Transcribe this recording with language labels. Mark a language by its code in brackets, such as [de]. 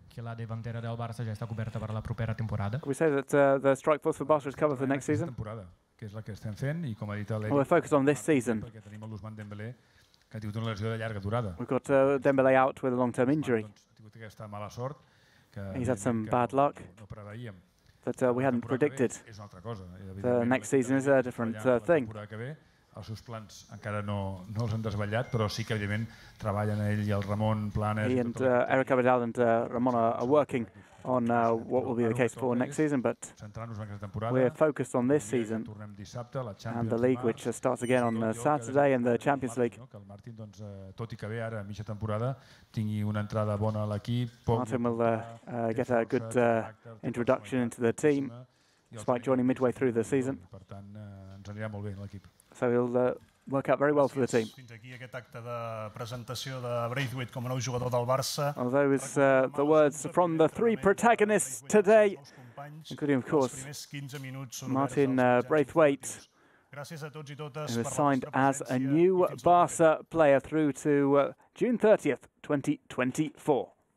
[es] Que la delantera del Barça ya está cubierta para la propera temporada. [en] We say that the strike force for Barça is covered for next season. [ca] Que és la que estem fent, i com ha dit el [en] Eric, we're focused on this season. [ca] Perquè tenim l'Ousmane Dembélé, que ha tingut una lesió de llarga durada. [en] We've got Dembélé out with a long-term injury. [ca] Ha tingut aquesta mala sort que [en] he's had some bad luck that we hadn't predicted. [ca] És una altra cosa. [en] The next season is a different thing. [ca] Els seus plans encara no els han desvetllat, però sí que evidentment treballen ell i el Ramon Planes. [en] He and Eric Abidal and Ramon are working on what will be the case for next season, but we're focused on this season and the league, which starts again on Saturday, and the Champions League. [ca] Que el Martin, doncs, tot i que ve ara a mitja temporada, tingui una entrada bona a l'equip. [en] Martin will get a good introduction into the team, despite joining midway through the season. [ca] Per tant, ens anirà molt bé l'equip. [en] So he'll work out very well for the team. [ca] Fins aquí aquest acte de presentació de Braithwaite com a nou jugador del Barça. [en] Well, those the words from the three protagonists today, including, of course, Martin Braithwaite, who has signed as a new Barça player through to June 30th, 2024.